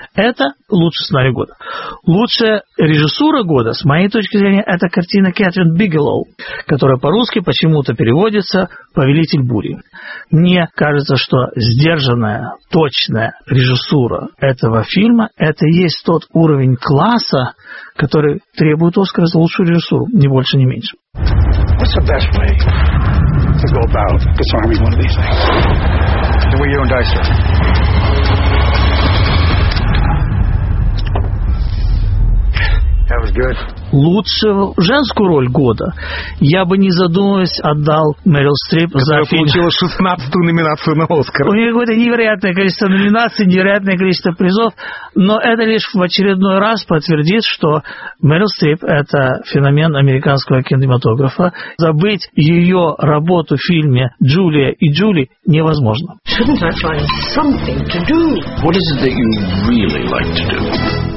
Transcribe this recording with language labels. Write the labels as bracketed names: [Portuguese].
[Russian] Это лучший сценарий года. Лучшая режиссура года, с моей точки зрения, это картина Кэтрин Бигелоу, которая по-русски почему-то переводится «Повелитель бури». Мне кажется, что сдержанная, точная режиссура этого фильма – это и есть тот уровень класса, который требует «Оскара» за лучшую режиссуру, ни больше, ни меньше. [English] What's the best way to go about disarming one of these things? The way you and I, sir. That was good. [Russian] Лучшую женскую роль года я бы, не задумываясь, отдал Мэрил Стрип за фильм. Которая получила 16-ю номинацию на «Оскар». У нее какое-то невероятное количество номинаций, невероятное количество призов, но это лишь в очередной раз подтвердит, что Мэрил Стрип – это феномен американского кинематографа. Забыть ее работу в фильме «Джулия и Джули» невозможно. [English] Shouldn't I find something to do? What is it that you really like to do?